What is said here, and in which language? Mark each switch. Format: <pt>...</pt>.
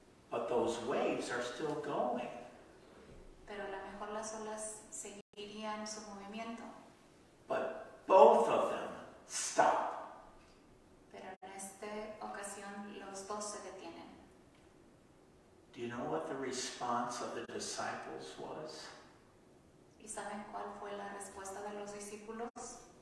<en>But those waves are still going.</en> <es>Pero a lo mejor las olas seguirían su movimiento.</es> <en>But both of them stop.</en> <es>Pero en esta ocasión los dos se detienen.</es> <en>Do you know what the response of the disciples was?</en> <es>¿Y saben cuál fue la respuesta de los discípulos?</es>